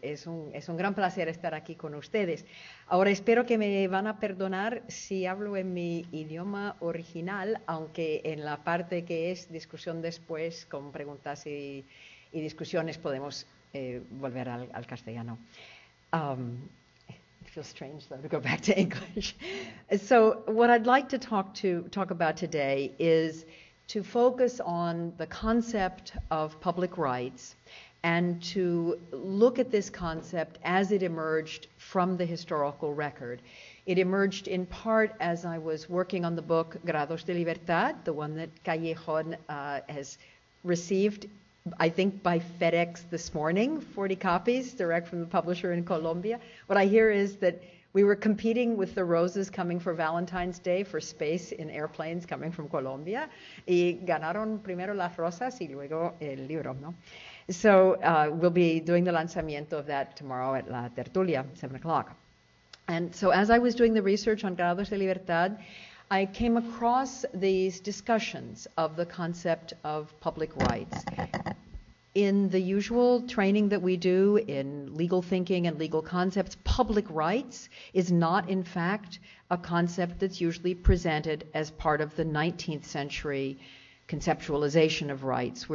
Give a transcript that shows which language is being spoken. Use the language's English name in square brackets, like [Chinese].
[Spanish] Es un gran placer estar aquí con ustedes. Ahora, espero que me van a perdonar si hablo en mi idioma original, aunque en la parte que es discusión después, con preguntas y discusiones, podemos volver al castellano. [English] It feels strange though to go back to English. So what I'd like to talk about today is to focus on the concept of public rights and to look at this concept as it emerged from the historical record. It emerged in part as I was working on the book Grados de Libertad, the one that Callejón has received, I think, by FedEx this morning, 40 copies direct from the publisher in Colombia. What I hear is that we were competing with the roses coming for Valentine's Day for space in airplanes coming from Colombia. [Spanish] Y ganaron primero las rosas y luego el libro, ¿no? [English] So we'll be doing the lanzamiento of that tomorrow at La Tertulia, 7 o'clock. And so as I was doing the research on Grados de Libertad, I came across these discussions of the concept of public rights. In the usual training that we do in legal thinking and legal concepts, public rights is not, in fact, a concept that's usually presented as part of the 19th century conceptualization of rights.